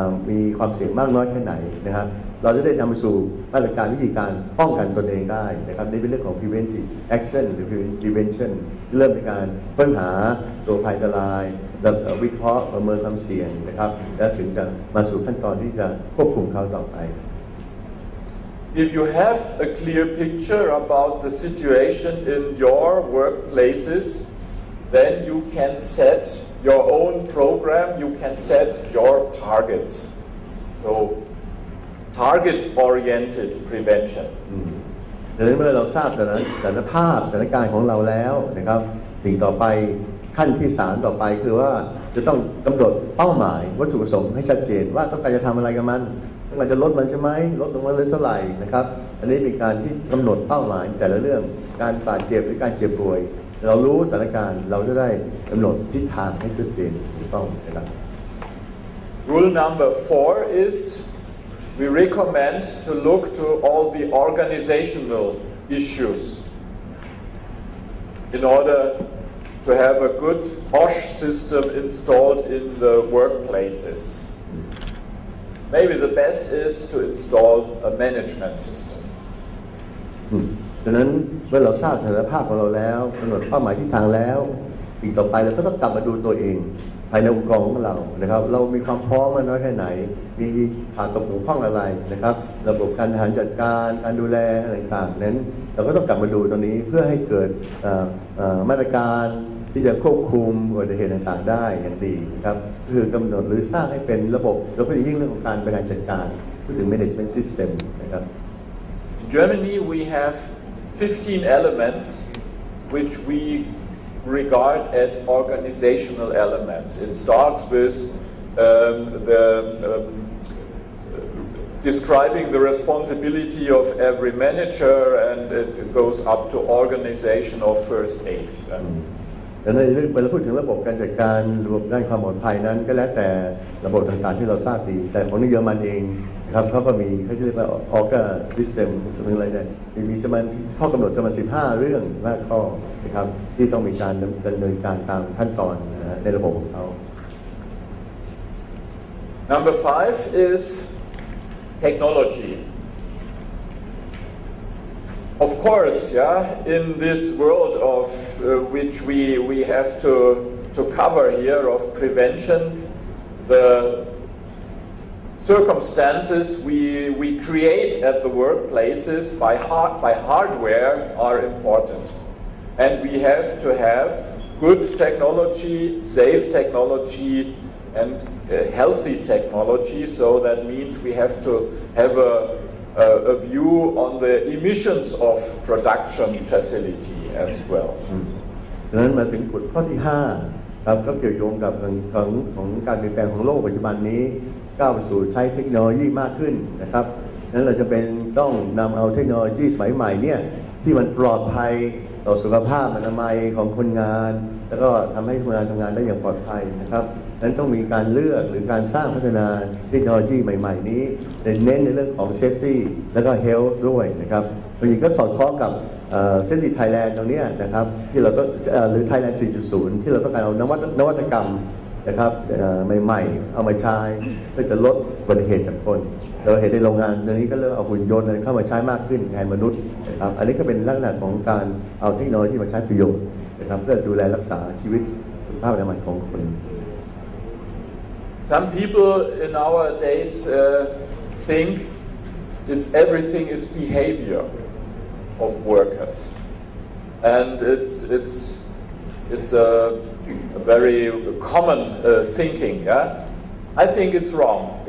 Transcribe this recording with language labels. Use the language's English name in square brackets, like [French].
[Thai] มีความเสี่ยงมากน้อยแค่ไหนนะครับเราจะได้นำไปสู่มาตรการวิธีการป้องกันตนเองได้นะครับในเรื่องของ preventive action หรือ prevention เริ่มในการค้นหาตัวภัยอันตรายวิเคราะห์ประเมินความเสี่ยงนะครับและถึงจะมาสู่ขั้นตอนที่จะควบคุมเขาต่อไป [English] If you have a clear picture about the situation in your workplaces then you can setyour own program, you can set your targets. So, target-oriented prevention. [Thai] ดังนั้นเมื่อเราทราบสถานภาพสถานการณ์ของเราแล้วนะครับสิ่งต่อไปขั้นที่3ต่อไปคือว่าจะต้องกำหนดเป้าหมายวัตถุประสงค์ให้ชัดเจนว่าต้องการจะทำอะไรกับมันต้องการจะลดมันใช่ไหมลดลงมาเท่าไหร่นะครับอันนี้เป็นการที่กำหนดเป้าหมายแต่ละเรื่องการบาดเจ็บหรือการเจ็บป่วยเรารู้สถานการณ์เราจะได้กำหนดทิศทางให้ชัดเจนต้องนะครับ [English] Rule number 4 is we recommend to look to all the organizational issues in order to have a good OSH system installed in the workplaces. Maybe the best is to install a management system. [Thai] ดังนั้นเมื่อเราทราบสถานภาพของเราแล้วกำหนดเป้าหมายทิศทางแล้วอีกต่อไปเราก็ต้องกลับมาดูตัวเองภายในองค์กรของเรานะครับเรามีความพร้อมมากน้อยแค่ไหนมีขาดตกบกพร่องอะไรนะครับระบบการบริหารจัดการการดูแลต่างๆนั้นเราก็ต้องกลับมาดูตรงนี้เพื่อให้เกิดมาตรการที่จะควบคุมอุบัติเหตุต่างๆได้อย่างดีนะครับคือกำหนดหรือสร้างให้เป็นระบบโดยเฉพาะยิ่งเรื่องของการบริหารจัดการพูดถึง management system นะครับ [English] In Germany we have 15 elements which we regard as organizational elements. It starts with the describing the responsibility of every manager, and it goes up to organization of first aid. And [Thai] ในเรื่องเราพูดถึงระบบการจัดการระบบด้านความปลอดภัยนั้นก็แล้วแต่ระบบต่างๆที่เราทราบดีแต่ของนิยมันเองครับเขาก็มีเขาเรียกว่าออกกับซิสเต็มสมัยอะไรเนี่ยมีสมัยข้อกำหนดสมัย15เรื่องหน้าข้อนะครับที่ต้องมีการดำเนินการตามขั้นตอนในระบบของเขา [English] Number 5 is technology. Of course, yeah, in this world of which we have to cover here of prevention, the circumstances we create at the workplaces by hardware are important, and we have to have good technology, safe technology, and healthy technology. So that means we have to have a view on the emissions of production facility as well. [Thai] ดังนั้นมาถึงข้อที่ 5 ครับก็เกี่ยวโยงกับเรื่องของการเปลี่ยนแปลงของโลกปัจจุบันนี้ก้าวสู่ใช้เทคโนโลยีมากขึ้นนะครับนั้นเราจะเป็นต้องนำเอาเทคโนโลยีสมัยใหม่เนี่ยที่มันปลอดภัยต่อสุขภาพอนามัยของคนงานแล้วก็ทำให้คนงานทำงานได้อย่างปลอดภัยนะครับนั้นต้องมีการเลือกหรือการสร้างพัฒนาเทคโนโลยีใหม่ๆนี้เน้นในเรื่องของ safety แล้วก็ health ด้วยนะครับตรงนี้ก็สอดคล้องกับ Safety Thailand ตรงนี้นะครับที่เราก็หรือ Thailand 4.0 ที่เราต้องการเอานวัตกรรมนะครับใหม่ๆเอามาใช้เพื่อจะลดอุบัติเหตุจากคนเราเห็นในโรงงานตอนนี้ก็เริ่มเอาหุ่นยนต์เข้ามาใช้มากขึ้นแทนมนุษย์นะครับอันนี้ก็เป็นลักษณะของการเอาเทคโนโลยีมาใช้ประโยชน์นะครับเพื่อดูแลรักษาชีวิตสุขภาพอนามัยของคน [English] Some people in our days think it's everything is behavior of workers and it's a very common thinking, yeah? I think it's wrong.